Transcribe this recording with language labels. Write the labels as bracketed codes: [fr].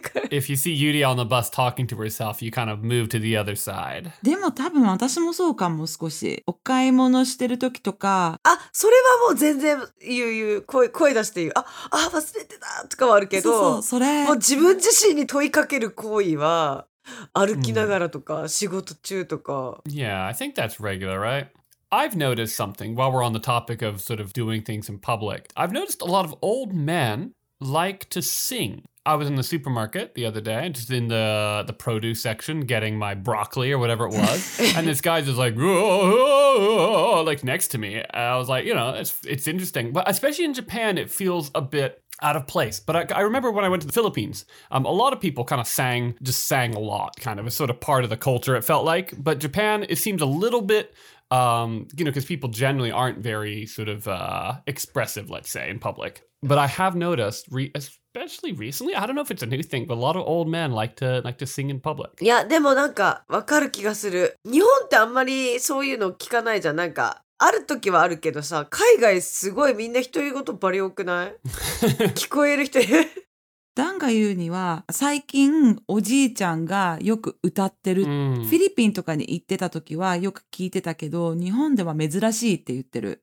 [en] If you see Yuri on the bus talking to herself, you kind of move to the other side. [ja] でも多分私もそうかも、少し。お買い物してる時とか。あ、それはもう全然言う言う、声出して言う。あ、忘れてたとかはあるけど。そうそう、それ。もう自分自身に問いかける行為は、歩きながらとか、仕事中とか。 [en] Yeah, I think that's regular, right? I've noticed something while we're on the topic of sort of doing things in public. I've noticed a lot of old men like to sing. I was in the supermarket the other day, just in the produce section, getting my broccoli or whatever it was. And this guy's just like, oh, like next to me. And I was like, you know, it's interesting. But especially in Japan, it feels a bit... out of place. But I remember when I went to the Philippines, a lot of people kind of sang a lot, kind of a sort of part of the culture, it felt like. But Japan, it seems a little bit, you know, because people generally aren't very sort of expressive, let's say, in public. But I have noticed, especially recently, I don't know if it's a new thing, but a lot of old men like to sing in public. Yeah, [ja] でもなんか分かる気がする。日本ってあんまりそういうの聞かないじゃん。なんかある時はあるけどさ、海外すごいみんな独り言バリ多くない？聞こえる人いる？ダンが言うには、最近おじいちゃんがよく歌ってる。フィリピンとかに行ってた時はよく聞いてたけど、日本では珍しいって言ってる。